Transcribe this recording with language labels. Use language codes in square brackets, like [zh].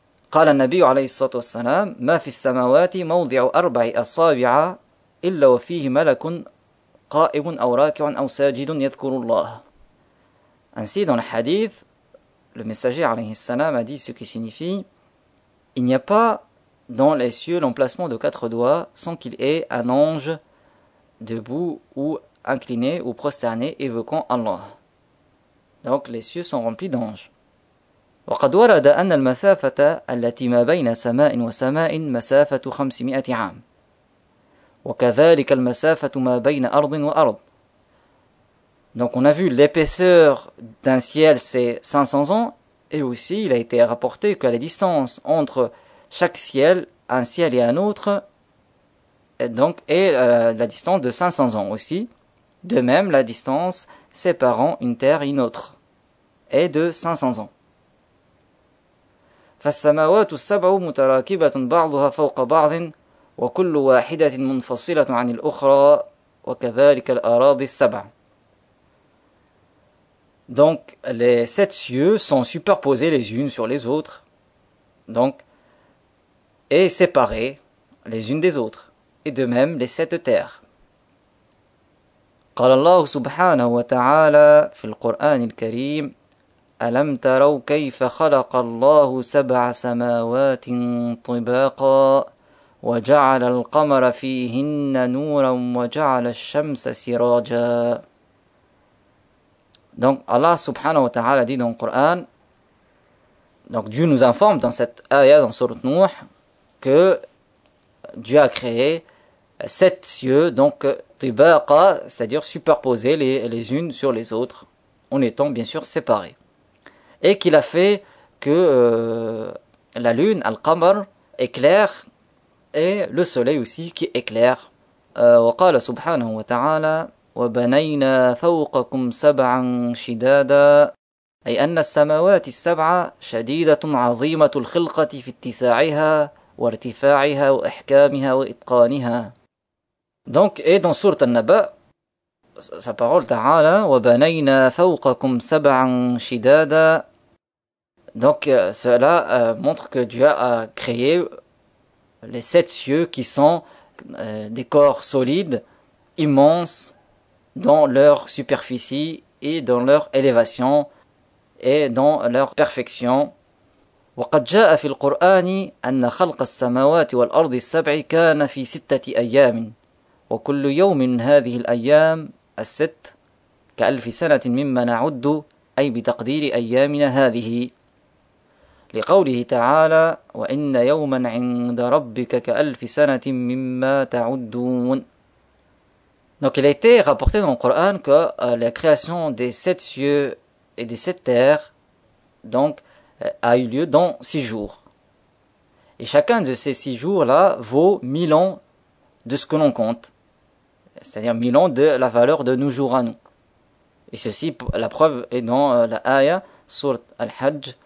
[ar] قال النبي عليه الصلاة والسلام ما في السماوات موضع أربع أصابع إلا وفيه ملك قائم أو راكع أو ساجد يذكر الله. [fr] Ainsi dans le hadith, le messager عليه السلام a dit ce qui signifie « Il n'y a pas dans les cieux l'emplacement de quatre doigts sans qu'il ait un ange debout ou incliné ou prosterné évoquant Allah. » Donc les cieux sont remplis d'anges. [ar] وقد ورد أن المسافة التي ما بين سماء وسماء مسافة 500 عام وكذلك المسافة ما بين أرض وأرض. [fr] Donc on a vu l'épaisseur d'un ciel c'est 500 ans et aussi il a été rapporté que la distance entre chaque ciel, un ciel et un autre, donc est la distance de 500 ans aussi. De même la distance séparant une terre et une autre est de 500 ans. [ar] فالسماوات السبع متراكبة بعضها فوق بعض وكل واحدة منفصلة عن الأخرى وكذلك الأراضي السبع. [fr] Donc les sept cieux sont superposés les unes sur les autres, donc et séparés les unes des autres, et de même les sept terres. [ar] قال الله سبحانه وتعالى في القرآن الكريم ألم تروا كيف خلق الله سبع سماوات طباقا وجعل القمر فيهن نورا وجعل الشمس سراجا. [fr] Donc Allah subhanahu wa ta'ala dit dans le Coran, donc Dieu nous informe dans cette ayah dans Surat Nuh que Dieu a créé sept cieux, donc tibaqa, c'est-à-dire superposés les unes sur les autres, en étant bien sûr séparés. Et qu'il a fait que la lune, Al-Qamar, éclaire et le soleil aussi qui éclaire. [ar] وقال سبحانه وتعالى وبنينا فوقكم سبعا شدادا أي أن السماوات السبعة شديدة عظيمة الخلقة في اتساعها وارتفاعها وإحكامها وإتقانها. [fr] Donc, et dans Sourate An-Naba, sa parole ta'ala, [ar] وَبَنَيْنَا فَوْقَكُمْ سَبْعًا شِدَادًا. [fr] Donc, cela montre que Dieu a créé les sept cieux qui sont des corps solides, immenses, dans leur superficie et dans leur élévation et dans leur perfection. [ar] وَقَدْ جَاءَ فِي الْقُرْآنِ أَنَّ خَلْقَ السَّمَاوَاتِ وَالْأَرْضِ السَّبْعِ كَانَ فِي سِتَّةِ أَيَّامٍ وكل يوم من هذه الأيام الست كألف سنة مما نعد أي بتقدير أيامنا هذه لقوله تعالى وإن يوما عند ربك كألف سنة مما تعدون. [fr] Donc il a été rapporté dans le Coran que la création des sept cieux et des sept terres donc a eu lieu dans six jours. Et chacun de ces six jours-là vaut 1000 ans de ce que l'on compte. C'est-à-dire 1000 ans de la valeur de nos jours à nous. Et ceci, la preuve est dans la ayah, Sourate Al-Hajj,